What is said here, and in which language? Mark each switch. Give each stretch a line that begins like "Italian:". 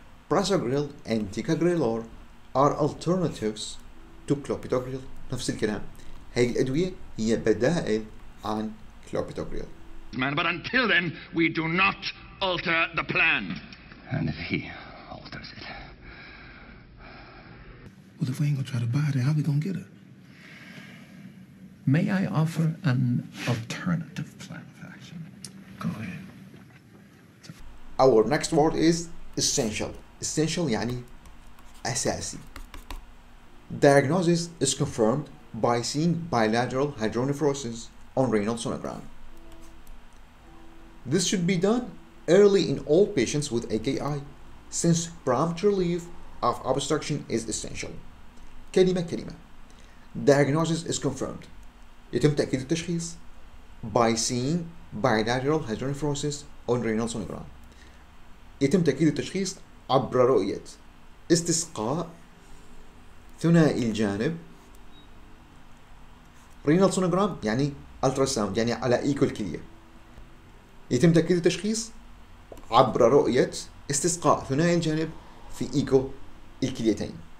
English: Prasugrel and ticagrelor are alternatives to clopidogrel.
Arabic: نفس الكلام، هاي الأدوية هي بدائل عن clopidogrel.
English: Man, but until then, we do not alter the plan. And if he alters it, well, if we ain't gonna try to buy it, how are we gonna get it? May I offer an alternative plan of action? Go ahead. Our next word is essential.
Arabic: Essential يعني أساسي.
English: Diagnosis is confirmed by seeing bilateral hydronephrosis on renal sonogram. This should be done early in all patients with AKI, since prompt relief of obstruction is essential.
Arabic: كلمة كلمة.
English: Diagnosis is confirmed.
Arabic: يتم تأكيد التشخيص
English: by seeing bilateral hydronephrosis on renal sonogram.
Arabic: يتم تأكيد التشخيص عبر رؤية استسقاء ثنائي الجانب. رينال سونوغرام يعني ألتراساوند، يعني على إيكو الكلية. يتم تأكيد التشخيص عبر رؤية استسقاء ثنائي الجانب في إيكو الكليتين.